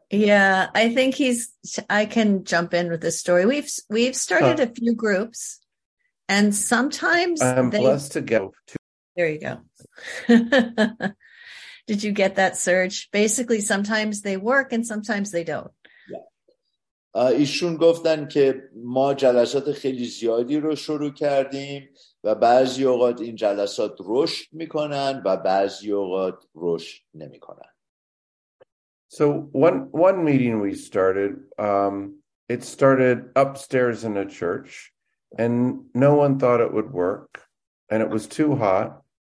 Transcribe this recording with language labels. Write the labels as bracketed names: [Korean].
[English] Yeah, I think I can jump in with this story. We've started a few groups, and sometimes I'm blessed to go. There you go. Did you get that, Serge? Basically, sometimes they work and sometimes they don't. [Persian] ایشون گفتن که ما جلسات خیلی زیادی رو شروع کردیم و بعضی اوقات این جلسات رشد میکنن و بعضی اوقات رشد نمیکنن. [English] So one meeting we started, it started upstairs in a church and no one thought it would work and it was too hot.